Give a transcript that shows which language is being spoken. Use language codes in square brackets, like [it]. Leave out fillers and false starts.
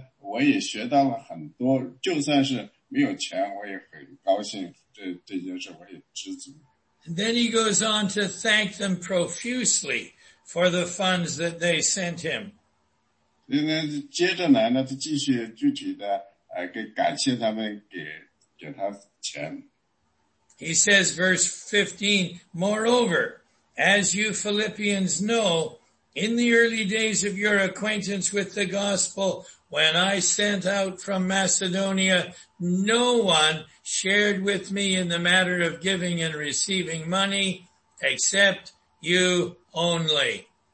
[zh] 所以呢,这个第十四节就是说,然而你们和我同受患难也是美事。所以保罗说,非常好的是你们给我一些钱,但是呢,我也学到了很多,就算是 没有钱,我也很高兴,这件事我也知足。 [en] And then he goes on to thank them profusely for the funds that they sent him. [zh] 接着来呢,他继续具体地给感谢他们给他钱。 [en] He says, verse 15, moreover, as you Philippians know, in the early days of your acquaintance with the gospel, when I sent out from Macedonia, no one shared with me in the matter of giving and receiving money except you only.